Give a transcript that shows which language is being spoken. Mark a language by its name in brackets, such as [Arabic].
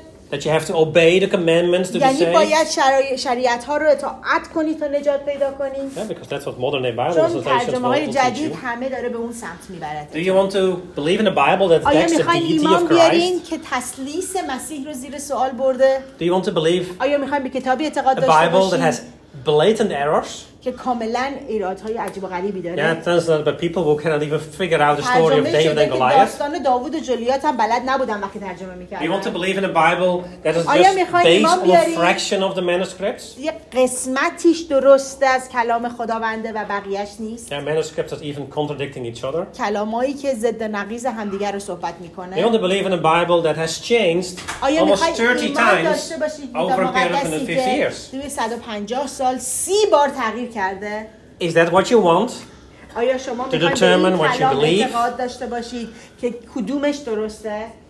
[English] That you have to obey the commandments to be saved. [Persian] یعنی باید شریعت ها رو اطاعت کنی تا نجات پیدا کنی. [English] Yeah, because that's what modern day Bible says. [Persian] چون ترجمه های جدید همه داره به اون سمت میبرد. [English] Do you want to believe in a Bible that takes the deity of Christ? [Persian] آیا میخوایم ایمان بیاریم که تثلیث مسیح رو زیر سوال برده؟ [English] Do you want to believe? [Persian] آیا میخوایم به کتابی اعتقاد داشته باشیم؟ [English] A Bible that has blatant errors. [Persian] که کاملا ایرادهای عجیب و غریبی داره. [English] Yeah, that's not the people who cannot even figure out the story of David and Goliath. [Persian] داستان داوود و جلیات هم بلد نبودن وقتی ترجمه میکردن. [English] We want to believe in a Bible that is just based on a fraction of the manuscripts. [Persian] یه قسمتیش درست از کلام خداونده و بقیه‌اش نیست. [English] Yeah, manuscripts are even contradicting each other. [Persian] کلامایی که ضد نقیض همدیگر رو صحبت میکنه. [English] We want to believe in a Bible that has changed almost 30 times over a period of 150 years. [Persian] 250 سال 30 بار تغییر کرده. [English] Is that what you want? [Persian] آیا شما [English] to determine what you believe? [Persian] اعتقاد داشته باشید که کدومش درسته؟